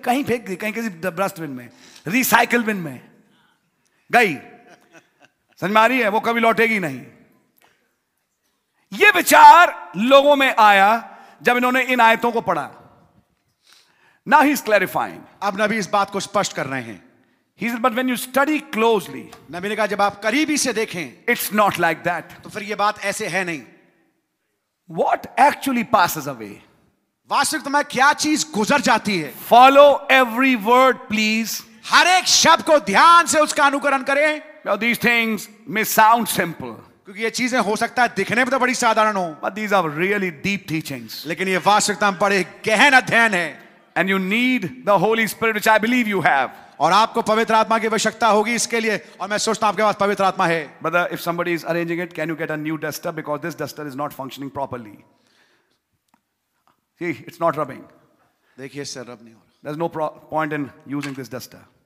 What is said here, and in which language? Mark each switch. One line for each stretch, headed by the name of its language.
Hindi: कहीं फेंक दी, कहीं किसी डस्टबिन में, रिसाइकल बिन में गई. समझ में आ रही है? वो कभी लौटेगी नहीं. ये विचार लोगों में आया जब इन्होंने इन आयतों को पढ़ा.
English: Now he's clarifying.
Hindi: अब नबी इस बात को स्पष्ट कर रहे हैं.
English: He said, but when you study closely,
Hindi: नबी ने कहा जब आप करीबी से देखें,
English: it's not like that.
Hindi: तो फिर ये बात ऐसे है नहीं.
English: What actually passes away?
Hindi: वास्तविकता में क्या चीज गुजर जाती है?
English: Follow every word, please.
Hindi: हर एक शब्द को ध्यान से उसका अनुकरण करें.
English: Now these things may sound simple.
Hindi: क्योंकि ये चीजें हो सकता है दिखने में तो बड़ी साधारण हो.
English: But these are really deep teachings.
Hindi: लेकिन ये वास्तविकता में बड़े गहन अध्ययन है.
English: And you need the Holy Spirit, which I believe you have.
Hindi: और आपको पवित्र आत्मा की आवश्यकता होगी इसके लिए. और मैं सोचता हूं आपके पास पवित्र आत्मा है.
English: Brother, if somebody is arranging it, can you get a new duster? Because this duster is not functioning properly. See, it's not rubbing.
Hindi: देखिए सर, रब नहीं हो रहा.
English: There's no point in using this duster.